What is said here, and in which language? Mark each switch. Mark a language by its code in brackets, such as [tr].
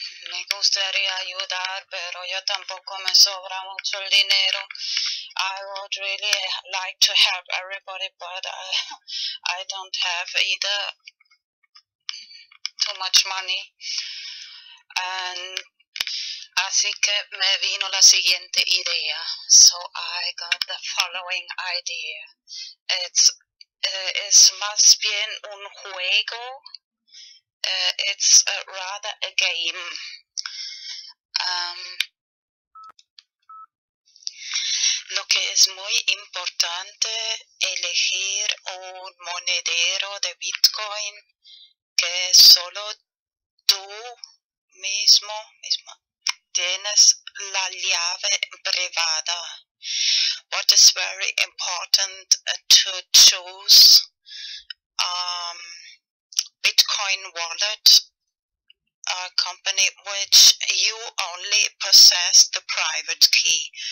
[es] Me gustaría ayudar, pero yo tampoco me sobra mucho el dinero. [en] I would really like to help everybody, but I don't have either too much money. [es] And así que me vino la siguiente idea. [en] So I got the following idea. It's [es] más bien un juego. [en] It's rather a game. [es] Lo que es muy importante elegir un monedero de Bitcoin que solo tú mismo tienes la llave privada. [en] What is very important to choose Bitcoin wallet, a company which you only possess the private key.